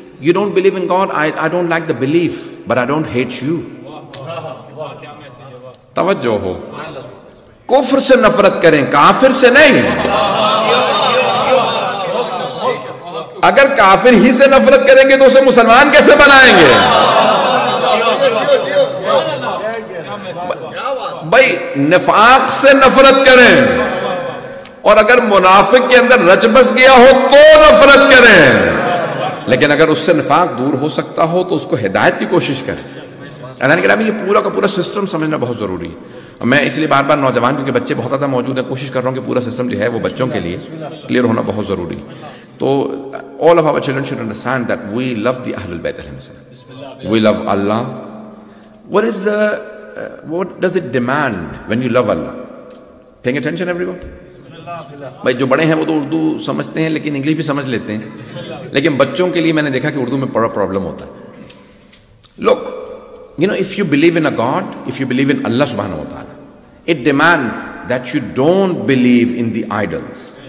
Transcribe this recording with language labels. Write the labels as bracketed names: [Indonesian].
[English] You don't believe in God, I don't like the belief, but I don't hate you. [Urdu] توجہ ہو, کفر سے نفرت کریں, کافر سے نہیں. اگر کافر ہی سے نفرت کریں گے تو اسے مسلمان کیسے بنائیں گے؟ بھائی نفاق سے نفرت کریں, اور اگر منافق کے اندر رچ بس گیا ہو تو نفرت کریں, لیکن اگر اس سے نفاق دور ہو سکتا ہو تو اس کو ہدایت کی کوشش کریں. یعنی کہ یہ پورا کا پورا سسٹم سمجھنا بہت ضروری ہے. میں اس لیے بار بار نوجوان, کیونکہ بچے بہت زیادہ موجود ہیں, کوشش کر رہا ہوں کہ پورا سسٹم جو ہے وہ بچوں کے لیے کلیئر ہونا بہت ضروری ہے. تو [English] all of our children should understand that we love the Ahlul Bayt, we love Allah. What does it demand when you love Allah? Paying attention everyone. [Urdu] بھائی جو بڑے ہیں وہ تو اردو سمجھتے ہیں لیکن انگلش بھی سمجھ لیتے ہیں, لیکن بچوں کے لیے میں نے دیکھا کہ اردو میں بڑا پرابلم ہوتا ہے. [English] Look you know, if you believe in a God, if you believe in Allah سبحانہ و تعالی, it demands that you don't believe in the idols.